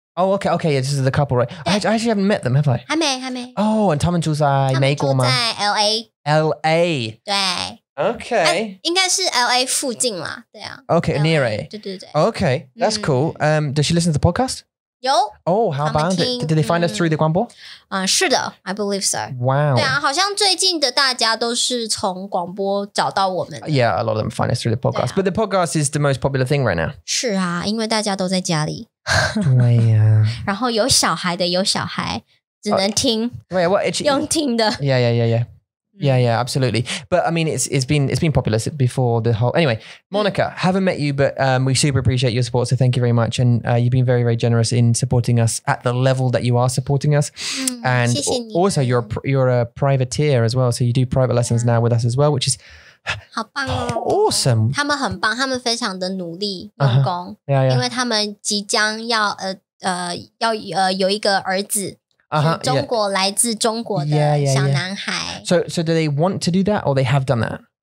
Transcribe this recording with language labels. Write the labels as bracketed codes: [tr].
[en] Oh, okay. Yeah, this is the couple, right? I actually haven't met them, have I? [zh] 还没。 Oh, and 他们住在美国吗? 他们住在LA。LA? 对。 [en] Okay. [zh] 应该是LA附近啦, 对啊。 [en] Okay, LA, near A. [zh] 对对对。 [en] Okay, that's cool. Does she listen to the podcast? [zh] 有。 [en] Oh, how about it? Did they find us through the 广播? [zh] 是的, [en] I believe so. Wow. [zh] 对啊,好像最近的大家都是从广播找到我们的。 [en] Yeah, a lot of them find us through the podcast. But the podcast is the most popular thing right now. [zh] 是啊,因为大家都在家里。对啊。然后有小孩的,有小孩,只能听。 [en] Wait, what? It's, [zh] 用听的。 [en] Yeah, yeah, yeah, yeah. Yeah, yeah, absolutely. But I mean, it's been popular before the whole... Anyway, Monica, haven't met you, but we super appreciate your support. So thank you very much. And you've been very, very generous in supporting us at the level that you are supporting us. And also, you're a privateer as well. So you do private lessons now with us as well, which is... [zh] 好棒哦 [en] Awesome [zh] 他们很棒他们非常的努力用功、 [en] uh-huh. yeah, yeah. [zh] 因为他们即将要要有一个儿子 [en] So do they want to do that or they have done that?